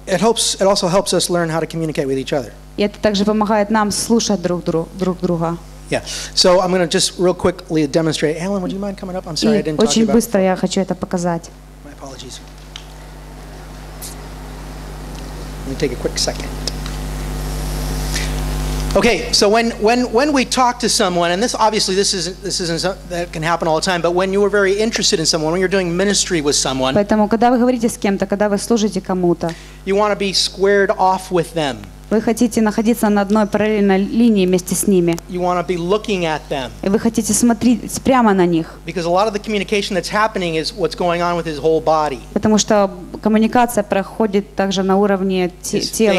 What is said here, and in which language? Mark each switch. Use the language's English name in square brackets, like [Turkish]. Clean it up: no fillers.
[English] It also helps us learn how to communicate with each other. [Russian] И это также помогает нам слушать друг друга. [English] Yeah. So I'm going to just real quickly demonstrate. Alan, would you mind coming up? I'm sorry, I didn't talk about it. [Russian] Я хочу это показать. [English] My apologies. Let me take a quick second. Okay. So when we talk to someone, and this isn't something that can happen all the time, but when you are very interested in someone, when you're doing ministry with someone, [Russian] поэтому когда вы говорите с кем-то, когда вы служите кому-то, [English] you want to be squared off with them. [Russian] Вы хотите находиться на одной параллельной линии вместе с ними. [English] You want to be looking at them. [Russian] И вы хотите смотреть прямо на них. [English] Because a lot of the communication that's happening is what's going on with his whole body. [Russian] Потому что коммуникация проходит также на уровне тела.